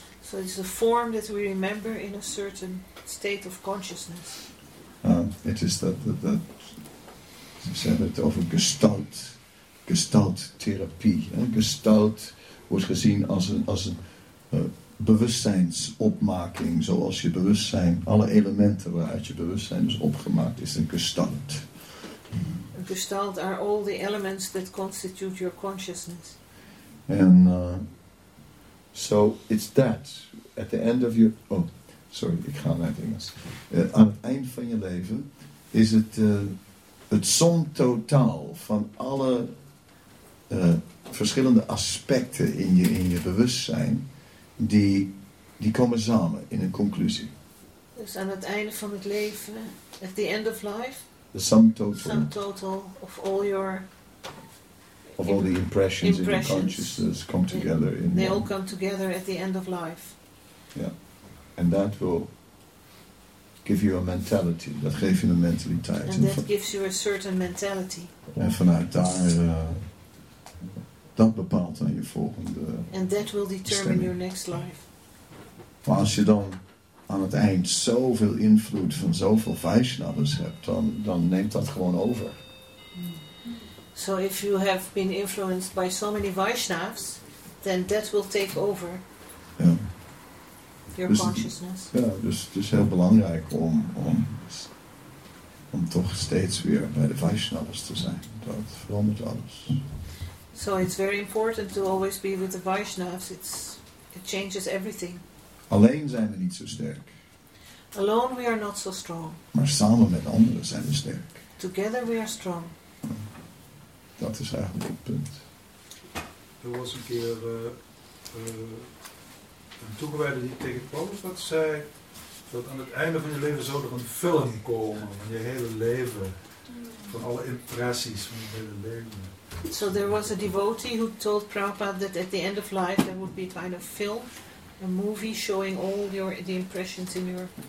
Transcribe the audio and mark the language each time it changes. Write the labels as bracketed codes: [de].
[en] So it's a form that we remember in a certain state of consciousness. [nl] Het is dat, ze hebben het over gestalt, gestalttherapie. Gestalt wordt gezien als een bewustzijnsopmaking, zoals je bewustzijn, alle elementen waaruit je bewustzijn is opgemaakt, is een gestalt. [en] A gestalt are all the elements that constitute your consciousness. And so it's that. At the end of your... Oh, sorry, [nl] ik ga naar het Engels. Aan het eind van je leven is het het som totaal van alle verschillende aspecten in je bewustzijn. Die komen samen in een conclusie. Dus aan het einde van het leven, [en] at the end of life, the sum total of all your impressions in your consciousness come together. All come together at the end of life. Yeah, and that will give you a mentality. [nl] Dat geeft je een mentaliteit. [en] And that gives you a certain mentality. [nl] En vanuit daar. Dat bepaalt dan je volgende. [en] And that will determine [nl] stemming. [en] Your next life. [nl] Maar als je dan aan het eind zoveel invloed van zoveel Vaishnavas hebt, dan neemt dat gewoon over. [en] So if you have been influenced by so many Vaishnavas, then that will take over. [nl] Ja. [en] Your [nl] dus [en] consciousness. [nl] Dus heel belangrijk om toch steeds weer bij de Vaishnavas te zijn. Dat verandert alles. [en] So it's very important to always be with the Vaishnavas. It changes everything. [nl] Alleen zijn we niet zo sterk. [en] Alone we are not so strong. [nl] Maar samen met anderen zijn we sterk. [en] Together we are strong. [nl] Dat is eigenlijk het punt. Er was een keer een toegewijde die tegen Paulus wat zei, dat aan het einde van je leven zou er een film komen van je hele leven, van alle impressies van je hele leven. [en] So there was a devotee who told Prabhupada that at the end of life there would be a kind of film, a movie showing all the impressions in your